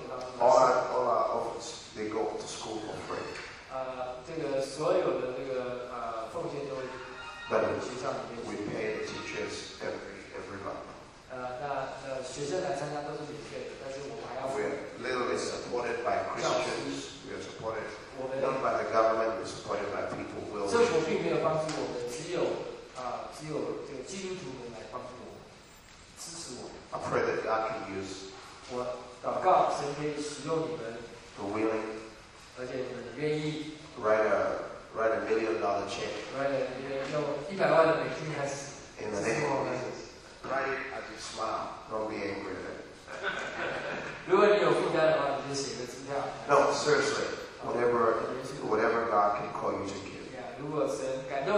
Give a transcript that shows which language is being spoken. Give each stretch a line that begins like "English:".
English: our orphans, they go to school for free.
Chinese: 这个所有的这个奉献都会去学校里面。
English: We pay the teachers every month.
Chinese: 那学生来参加都是免费的，但是我们还要。
English: We're literally supported by Christians. We are supported not by the government. We're supported by people who will.
Chinese: 政府并没有帮助我们，只有这个基督徒们来帮助我们，支持我们。
English: I pray that God can use.
Chinese: 我祷告神可以使用你们。
English: The willing.
Chinese: 而且你们愿意。
English: Write a $1 million check.
Chinese: 用100万的美金开始。
English: In the name of Jesus. Write it as you smile. Don't be angry at it.
Chinese: 如果你有负担的话，你就写个支票。
English: No, seriously. Whatever God can call you to give.